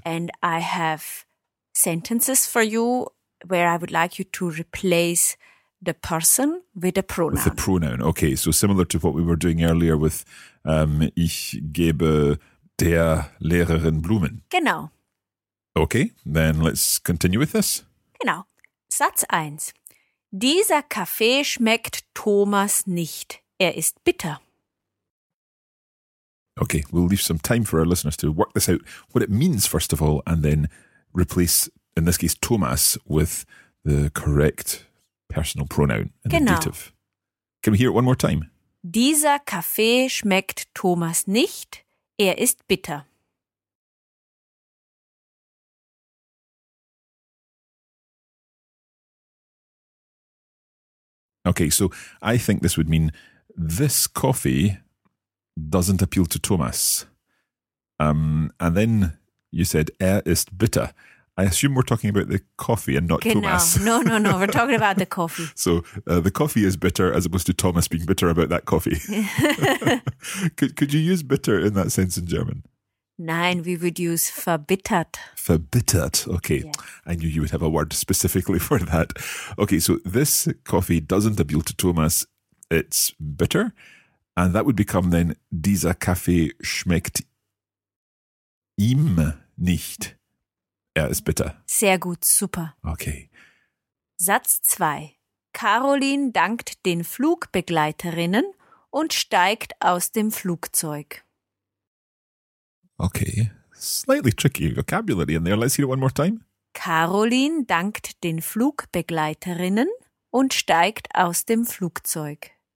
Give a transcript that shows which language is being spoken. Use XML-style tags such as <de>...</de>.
<en>And I have sentences for you where I would like you to replace the person with a pronoun. With the pronoun, okay. So similar to what we were doing earlier with ich gebe der Lehrerin Blumen. Genau. Okay, then let's continue with this.</en> <de>Genau. Satz 1. Dieser Kaffee schmeckt Thomas nicht. Er ist bitter.</de> <en>Okay, we'll leave some time for our listeners to work this out, what it means first of all, and then replace, in this case, Thomas with the correct personal pronoun in</en> <de>genau.</de> <en>The dative. Can we hear it one more time?</en> <de>Dieser Kaffee schmeckt Thomas nicht. Er ist bitter.</de> <en>Okay, so I think this would mean this coffee doesn't appeal to Thomas. And then you said</en> <de>er ist bitter.</de> <en>I assume we're talking about the coffee and not</en> <de>genau.</de> <en>Thomas. No. We're talking about the coffee. So the coffee is bitter as opposed to Thomas being bitter about that coffee. could you use bitter in that sense in German? Nein, we would use verbittert. Verbittert. Okay. Yeah. I knew you would have a word specifically for that. Okay. So this coffee doesn't appeal to Thomas. It's bitter. And that would become then</en> <de>dieser Kaffee schmeckt ihm nicht. Er ist bitter. Sehr gut, super.</de> <en>Okay.</en> <de>Satz 2. Caroline dankt den Flugbegleiterinnen und steigt aus dem Flugzeug.</de> <en>Okay, slightly tricky vocabulary in there. Let's hear it one more time.</en> <de>Caroline dankt den Flugbegleiterinnen und steigt aus dem Flugzeug.</de>